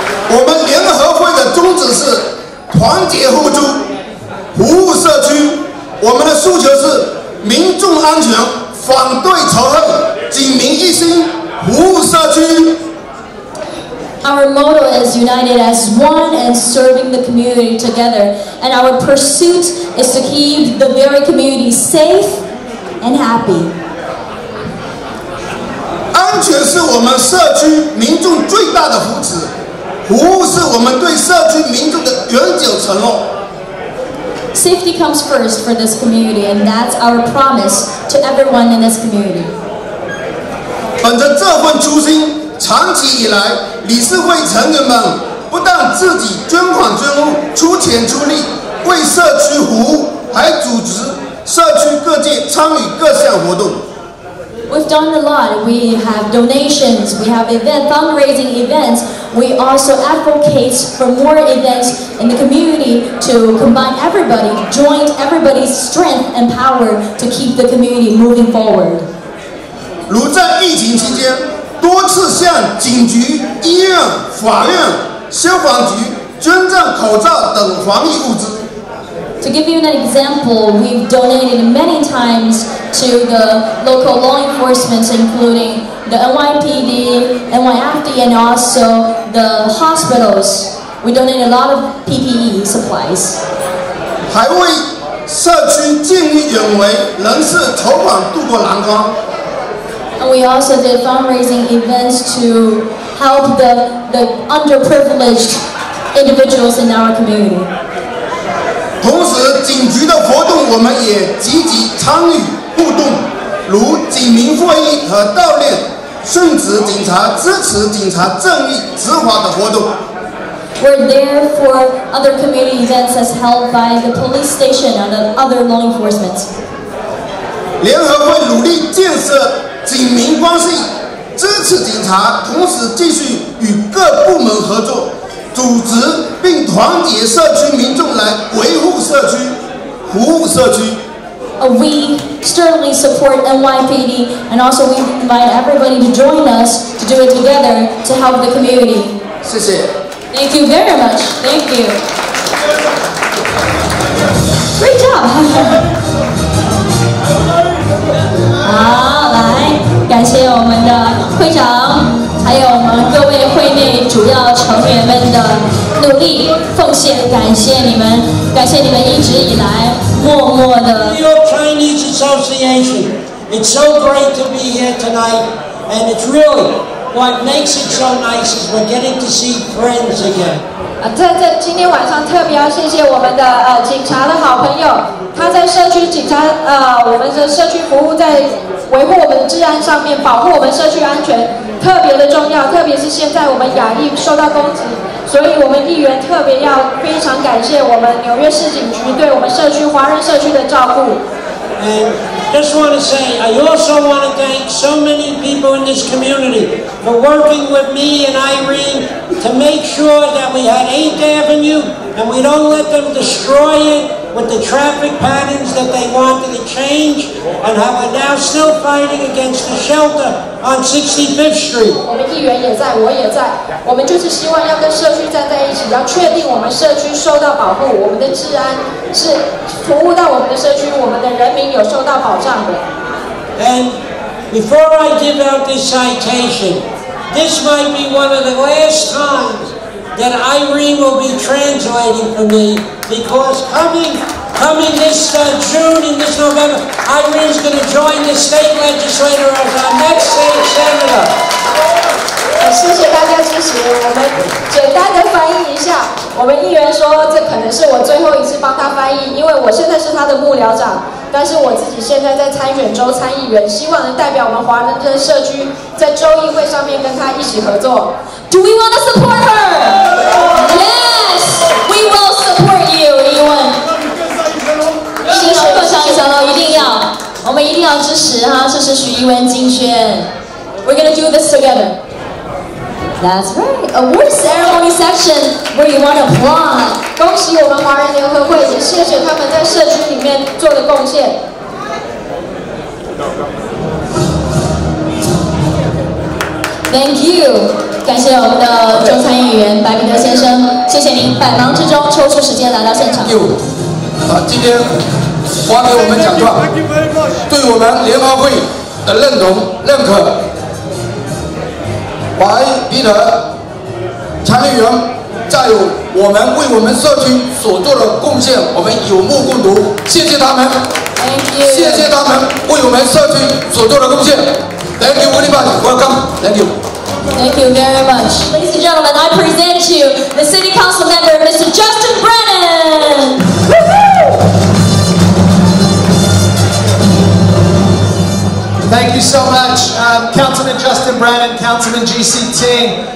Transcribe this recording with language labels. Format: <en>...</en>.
<zh>我们联合会的宗旨是团结互助，服务社区。我们的诉求是民众安全，反对仇恨，警民一心，服务社区。</zh> <en>Our motto is united as one and serving the community together. And our pursuit is to keep the very community safe and happy.</en> <zh>安全是我们社区民众最大的福祉，服务是我们对社区民众的永久承诺。</zh> <en>Safety comes first for this community, and that's our promise to everyone in this community.</en> <zh>本着这份初心，长期以来，理事会成员们不但自己捐款捐物，出钱出力为社区服务，还组织社区各界参与各项活动。</zh> <en>We've done a lot. We have donations, we have event, fundraising events. We also advocate for more events in the community to combine everybody, to join everybody's strength and power to keep the community moving forward.</en> <zh>如在疫情期间多次向警局、医院、法院、消防局捐赠口罩等防疫物资。</zh> <en>To give you an example, we've donated many times to the local law enforcement, including the NYPD, NYFD, and also the hospitals. We donated a lot of PPE supplies.</en> <zh>还为社区见义勇为人士筹款渡过难关。</zh> <en>And we also did fundraising events to help the underprivileged individuals in our community.</en> <zh>同时警局的活动我们也积极参与互动，如警民会议和悼念殉职警察、支持警察正义执法的活动。</zh> <en>We're there for other community events as held by the police station and the other law enforcement.</en> <zh>联合会努力建设警民关系，支持警察，同时继续与各部门合作组织并团结社区民众来维护社区、服务社区。</zh> <en>We sternly support NYPD and also we invite everybody to join us to do it together to help the community.</en> <zh>谢谢。</zh> <en>Thank you very much. Thank you. Great job.</en> <zh>好，来，感谢我们的会长。还有我们各位会内主要成员们的努力奉献，感谢你们，感谢你们一直以来默默的。</zh> <en>New York Chinese Association, it's so great to be here tonight, and it's really what makes it so nice is we're getting to see friends again.</en> <zh>今天晚上特别要谢谢我们的警察的好朋友，他在社区警察我们的社区服务在维护我们治安上面，保护我们社区安全。特别的重要，特别是现在我们亚裔受到攻击，所以我们议员特别要非常感谢我们纽约市警局对我们社区华人社区的照顾。</zh> <en>And just want to say, I also want to thank so many people in this community for working with me and Irene to make sure that we had 8th Avenue and we don't let them destroy it with the traffic patterns that they wanted to change and how we're now still fighting against the shelter on 65th Street.</en> <zh>我们议员也在，我也在，我们就是希望要跟社区站在一起，要确定我们社区受到保护，我们的治安是服务到我们的社区，我们的人民有受到保障的。</zh> <en>And before I give out this citation, this might be one of the last timesThat Irene will be translating for me because coming this June and this November, Irene's going to join the state legislature as our next state senator.</en> <zh>谢谢大家支持。我们简单的翻译一下，我们议员说这可能是我最后一次帮他翻译，因为我现在是他的幕僚长。但是我自己现在在参选州参议员，希望能代表我们华人的社区在州议会上面跟他一起合作。</zh> <en>Do we want to support her? Yes, we will support you, Ewan.</en> <zh>谢谢，更上一层楼，一定要，我们一定要支持哈，支持许 Ewan 竞选。</zh> <en>We're gonna do this together. That's right. Award ceremony section where you want to applaud.</en> <zh>恭喜我们华人联合会，也谢谢他们在社区里面做的贡献。</zh> <en>Thank you.</en> <zh>感谢我们的中参议员白明德先生，谢谢您百忙之中抽出时间来到现场。</zh> <en>Thank you.</en> <zh>好，今天发给我们奖状，对我们联合会的认同认可。白明德参议员，再有我们为我们社区所做的贡献，我们有目共睹，谢谢他们。</zh> <en>Thank you.</en> <zh>谢谢他们为我们社区所做的贡献。</zh> <en>Thank you, everybody. Welcome. Thank you. Thank you very much. Ladies and gentlemen, I present to you the City Council member, Mr. Justin Brennan. Woo-hoo! Thank you so much, Councilman Justin Brennan, Councilman G.C. Ting.</en>